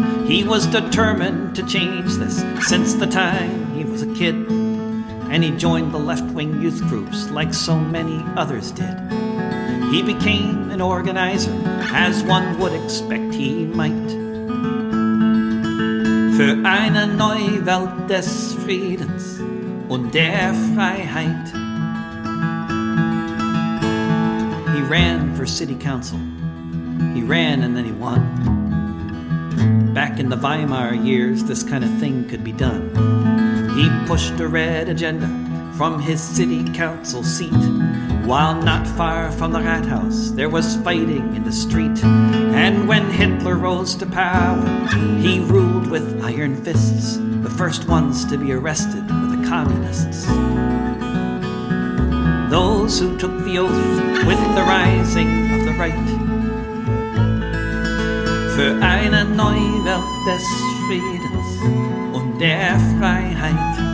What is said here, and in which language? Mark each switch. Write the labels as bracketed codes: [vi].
[en] He was determined to change this since the time he was a kid. And he joined the left-wing youth groups like so many others did. He became an organizer, as one would expect he might. [de] Für eine neue Welt des Friedens und der Freiheit. [en] He ran for city council. He ran and then he won. Back in the Weimar years, this kind of thing could be done. He pushed a red agenda from his city council seat. While not far from the Rathaus, there was fighting in the street. And when Hitler rose to power, he ruled with iron fists. The first ones to be arrested were the communists. Those who took the oath with the rising of the right. [de] Für eine neue Welt des Friedens und der Freiheit.